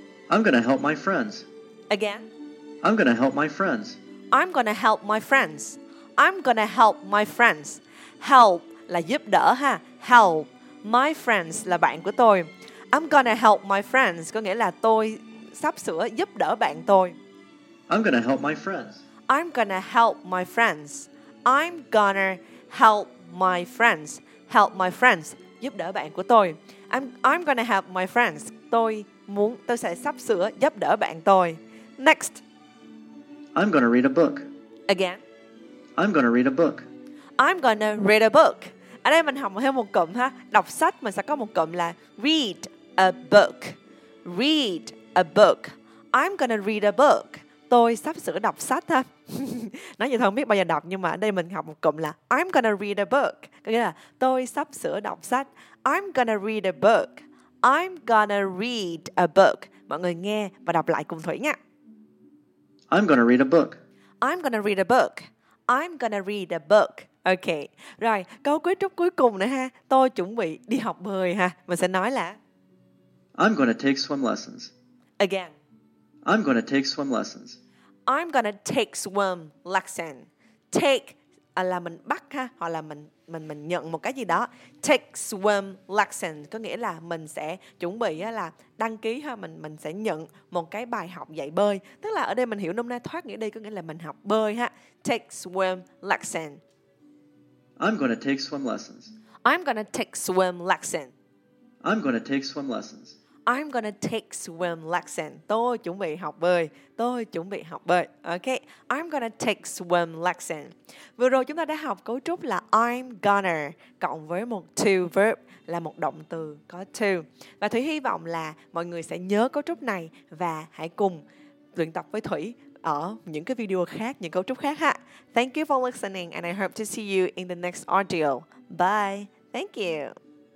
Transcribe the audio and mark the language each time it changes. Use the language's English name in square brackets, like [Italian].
[English] I'm gonna help my friends. Again. I'm gonna help my friends. I'm gonna help my friends. I'm gonna help my friends. [Vietnamese] Help là giúp đỡ ha. [English] Help my friends [Vietnamese] là bạn của tôi. [English] I'm gonna help my friends [Vietnamese] có nghĩa là tôi sắp sửa giúp đỡ bạn tôi. [English] I'm gonna help my friends. I'm gonna help my friends. I'm gonna help my friends. Help my friends [Vietnamese] giúp đỡ bạn của tôi. [English] I'm gonna help my friends. [Vietnamese] Tôi sẽ sắp sửa giúp đỡ bạn tôi. [English] Next. I'm gonna read a book. Again. I'm gonna read a book. I'm gonna read a book. [Vietnamese] Ở đây mình học thêm một cụm ha. Đọc sách mình sẽ có một cụm là [English] read a book. Read a book. I'm gonna read a book. [Vietnamese] Tôi sắp sửa đọc sách ha. Nói vậy thôi không biết bao giờ đọc, nhưng mà ở đây mình học một cụm là [English] I'm gonna read a book. [Vietnamese] Có nghĩa là tôi sắp sửa đọc sách. [English] I'm gonna read a book. I'm gonna read a book. [Vietnamese] Mọi người nghe và đọc lại cùng Thủy nha. [English] I'm gonna read a book. I'm gonna read a book. I'm gonna read a book. Ok. [Vietnamese] Rồi, câu cuối trúc cuối cùng nữa ha. Tôi chuẩn bị đi học bơi ha. Mình sẽ nói là [English] I'm gonna take swim lessons. Again. I'm gonna take swim lessons. I'm gonna take swim lessons. [Vietnamese] Take là mình bắt ha, hoặc là mình nhận một cái gì đó. [English] Take swim lessons [Vietnamese] có nghĩa là mình sẽ chuẩn bị là đăng ký ha, mình sẽ nhận một cái bài học dạy bơi. Tức là ở đây mình hiểu nôm na thoát nghĩa đi, có nghĩa là mình học bơi ha. [English] Take swim lessons. I'm gonna take swim lessons. I'm gonna take swim lessons. I'm gonna take swim lessons. I'm gonna take swim lessons. [Vietnamese] Tôi chuẩn bị học bơi. Tôi chuẩn bị học bơi. [English] Okay. I'm gonna take swim lessons. [Vietnamese] Vừa rồi chúng ta đã học cấu trúc là [English] I'm gonna [Vietnamese] cộng với một to verb là một động từ có to. Và Thủy hy vọng là mọi người sẽ nhớ cấu trúc này và hãy cùng luyện tập với Thủy ở những cái video khác, những cấu trúc khác ha. [English] Thank you for listening and I hope to see you in the next audio. Bye. Thank you.